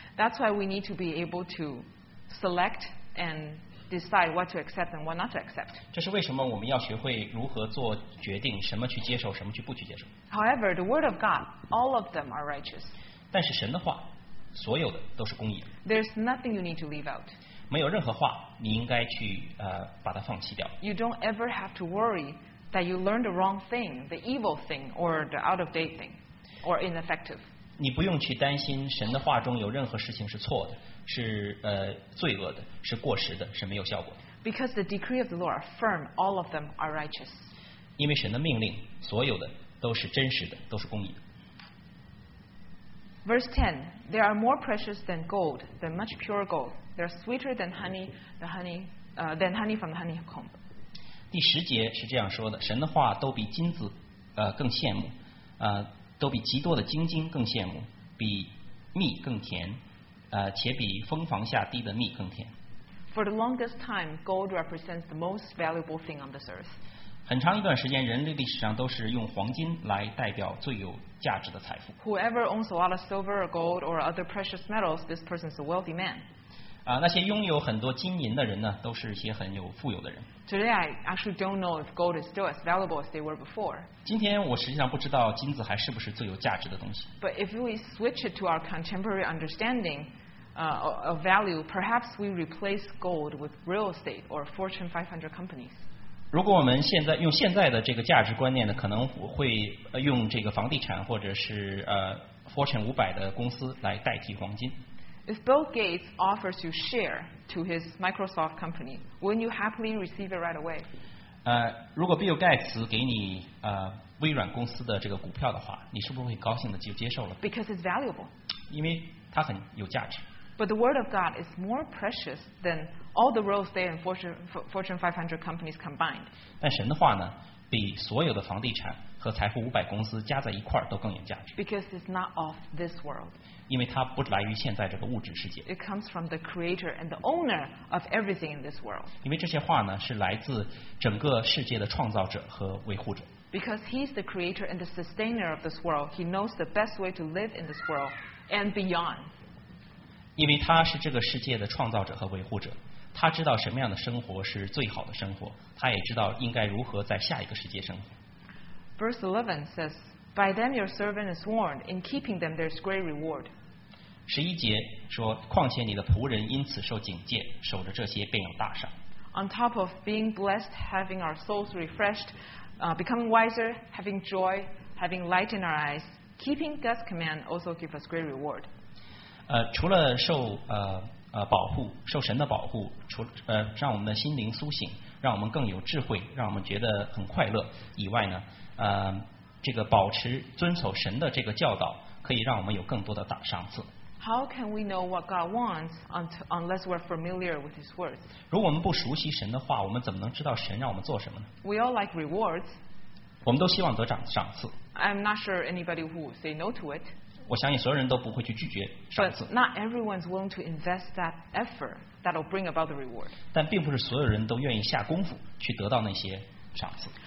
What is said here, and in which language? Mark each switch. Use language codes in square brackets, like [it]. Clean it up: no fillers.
[en] That's why we need to be able to select and decide what to accept and what not to accept. [zh] 这是为什么我们要学会如何做决定，什么去接受，什么去不去接受。 [en] However, the word of God, all of them are righteous. [zh] 但是神的话，所有的都是公义的。 [en] There's nothing you need to leave out. [zh] 没有任何话你应该去把它放弃掉。 [en] You don't ever have to worry that you learned the wrong thing, the evil thing, or the out of date thing, or ineffective. [zh] 你不用去担心神的话中有任何事情是错的，是罪恶的，是过时的，是没有效果的。 [en] Because the decree of the Lord are firm, all of them are righteous. [zh] 因为神的命令，所有的都是真实的，都是公义的。 [en] Verse 10, there are more precious than gold, than much pure gold. They're sweeter than honey, than honey from the honeycomb. [zh] 第十节是这样说的：神的话都比金子更羡慕，都比极多的金晶更羡慕，比蜜更甜，且比蜂房下滴的蜜更甜。 [en] For the longest time, gold represents the most valuable thing on this earth. [zh] 很长一段时间，人类历史上都是用黄金来代表最有价值的财富。 [en] Whoever owns a lot of silver or gold or other precious metals, this person is a wealthy man. [zh] 那些拥有很多金银的人呢，都是一些很有富有的人。 [en] Today, I actually don't know if gold is still as valuable as they were before. [zh] 今天我实际上不知道金子还是不是最有价值的东西。 [en] But if we switch it to our contemporary understanding of value, perhaps we replace gold with real estate or Fortune 500 companies. [zh] 如果我们现在用现在的这个价值观念呢，可能会用这个房地产或者是Fortune 500的公司来代替黄金。 [en] If Bill Gates offers you share to his Microsoft company, wouldn't you happily receive it right away? [zh] 如果 Bill Gates 给你微软公司的这个股票的话，你是不是会高兴的就接受了？ [en] Because it's valuable. [zh] 因为它很有价值。 [en] But the word of God is more precious than all the real estate and Fortune 500 companies combined. [zh] 但神的话呢，比所有的房地产和财富500公司加在一块都更有价值。 [en] Because it's not of this world. [zh] 因为它不来于现在这个物质世界。 [en] It comes from the creator and the owner of everything in this world. [zh] 因为这些话呢是来自整个世界的创造者和维护者。 [en] Because he's the creator and the sustainer of this world, he knows the best way to live in this world and beyond. [zh] 因为他是这个世界的创造者和维护者，他知道什么样的生活是最好的生活，他也知道应该如何在下一个世界生活。 [en] Verse 11 says,By them your servant is warned. In keeping them, there is great reward. [zh] 十一节说，况且你的仆人因此受警戒，守着这些便有大赏。 [en] On top of being blessed, having our souls refreshed, becoming wiser, having joy, having light in our eyes, keeping God's command also gives us great reward. [zh] 除了受保护，受神的保护，让我们的心灵苏醒，让我们更有智慧，让我们觉得很快乐以外呢，这个保持遵守神的这个教导，可以让我们有更多的大赏赐。 [en] How can we know what God wants unless we're familiar with His words? [zh] 如果我们不熟悉神的话，我们怎么能知道神让我们做什么呢？ [en] We all like rewards. [zh] 我们都希望得赏赐。 [en] I'm not sure anybody who would say no to it. [zh] 我相信所有人都不会去拒绝赏赐。 [en] But not everyone's willing to invest that effort that'll bring about the reward. [zh] 但并不是所有人都愿意下功夫去得到那些赏赐。